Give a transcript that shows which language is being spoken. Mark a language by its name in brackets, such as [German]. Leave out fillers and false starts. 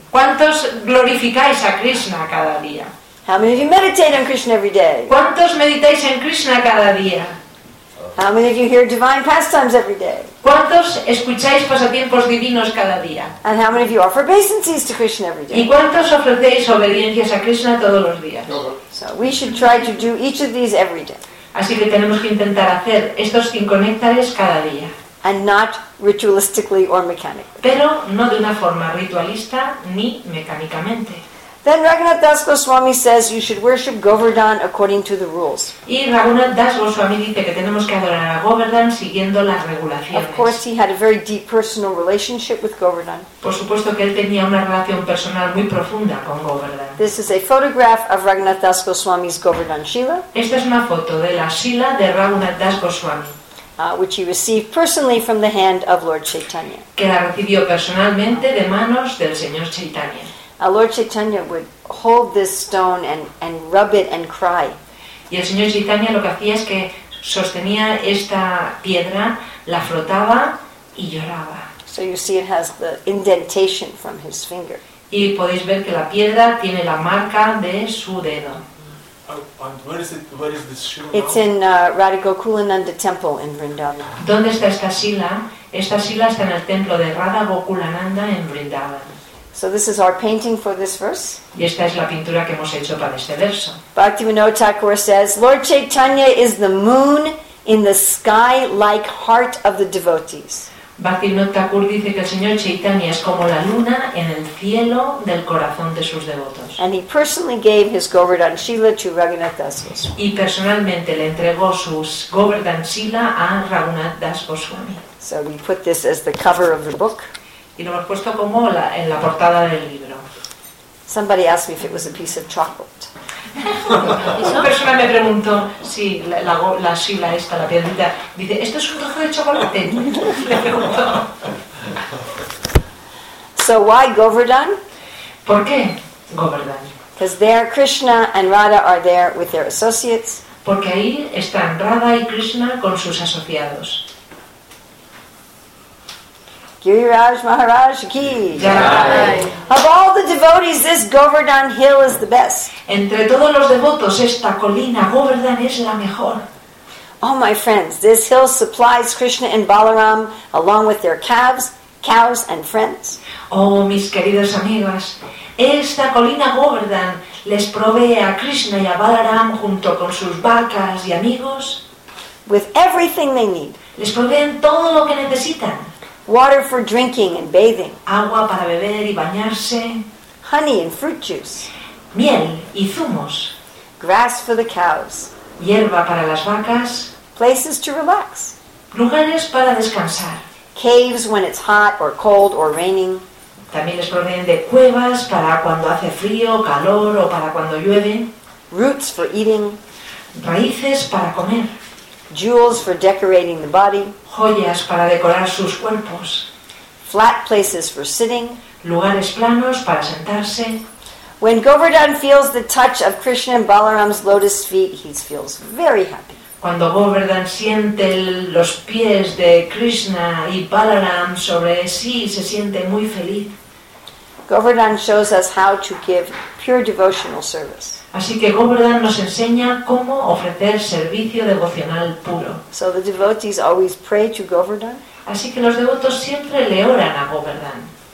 [Spanish] ¿Cuántos glorificáis a Krishna cada día? [English] How many of you meditate on Krishna every day? [Spanish] ¿Cuántos meditáis en Krishna cada día? [English] How many of you hear divine pastimes every day? [Spanish] ¿Cuántos escucháis pasatiempos divinos cada día? [English] And how many of you offer obeisances to Krishna every day? [Spanish] ¿Y cuántos ofrecéis obediencias a Krishna todos los días? [English] So we should try to do each of these every day. [Spanish] Así que tenemos que intentar hacer estos cinco néctares cada día. [English] And not ritualistically or mechanically. [Spanish] Pero no de una forma ritualista ni mecánicamente. [English] Then Raghunath Das Goswami says you should worship Govardhan according to the rules. [Spanish] Y Raghunath Das Goswami dice que tenemos que adorar a Govardhan siguiendo las regulaciones. [English] Of course, he had a very deep personal relationship with Govardhan. [Spanish] Por supuesto que él tenía una relación personal muy profunda con Govardhan. [English] This is a photograph of Raghunath Das Goswami's Govardhan Shila. [Spanish] Esta es una foto de la Shila de Raghunath Das Goswami. [English] Which he received personally from the hand of Lord Chaitanya. [Spanish] Que la recibió personalmente de manos del señor Chaitanya. [English] Lord Chaitanya would hold this stone and rub it and cry. [Spanish] Y el señor Chaitanya lo que hacía es que sostenía esta piedra, la frotaba y lloraba. [English] So you see it has the indentation from his finger. [Spanish] Y podéis ver que la piedra tiene la marca de su dedo. [English] And where is it? Where is this shila? It's in Radhagokulananda Temple in Vrindavan. [Spanish] ¿Dónde está esta shila? Esta shila está en el templo de Radhagokulananda en Vrindavan. [English] So this is our painting for this verse. [Spanish] Y esta es la pintura que hemos hecho para este verso. [English] Bhaktivinoda Thakur says, Lord Chaitanya is the moon in the sky-like heart of the devotees. [Spanish] Bhaktivinoda Thakur dice que el señor Chaitanya es como la luna en el cielo del corazón de sus devotos. [English] And he personally gave his Govardhan Shila to Raghunath Das Goswami. [Spanish] Y personalmente le entregó sus Govardhan Shila a Raghunath Das Goswami. [English] So we put this as the cover of the book. [Spanish] Y lo hemos puesto como la, en la portada del libro. [English] Somebody asked me if it was a piece of chocolate. [Spanish] Una persona me preguntó si la shila esta, la piedrita, dice, ¿esto es un trozo de chocolate? Le preguntó. [English] So why Govardhan? [Spanish] ¿Por qué Govardhan? [English] Because there Krishna and Radha are there with their associates. [Spanish] Porque ahí están Radha y Krishna con sus asociados. [Hindi] Giriraj Maharaj Ki. [English] Of all the devotees, this Govardhan Hill is the best. [Spanish] Entre todos los devotos, esta colina Govardhan es la mejor. [English] Oh my friends, this hill supplies Krishna and Balaram along with their calves, cows and friends. [Spanish] Oh mis queridos amigos, esta colina Govardhan les provee a Krishna y a Balaram junto con sus vacas y amigos. [English] With everything they need. [Spanish] Les proveen todo lo que necesitan. [English] Water for drinking and bathing. [Spanish] Agua para beber y bañarse. [English] Honey and fruit juice. [Spanish] Miel y zumos. [English] Grass for the cows. [Spanish] Hierba para las vacas. [English] Places to relax. [Spanish] Lugares para descansar. [English] Caves when it's hot or cold or raining. [Spanish] También les proveen de cuevas para cuando hace frío, calor o para cuando llueve. [English] Roots for eating. [Spanish] Raíces para comer. [English] Jewels for decorating the body. [Spanish] Joyas para decorar sus cuerpos. [English] Flat places for sitting. [Spanish] Lugares planos para sentarse. [English] When Govardhan feels the touch of Krishna and Balaram's lotus feet, he feels very happy. [Spanish] Cuando Govardhan siente los pies de Krishna y Balaram sobre sí, se siente muy feliz. [English] Govardhan shows us how to give pure devotional service. [Spanish] Así que Govardhan nos enseña cómo ofrecer servicio devocional puro. [English] So the devotees always pray to Govardhan. [Spanish] Así que los devotos siempre le oran a Govardhan.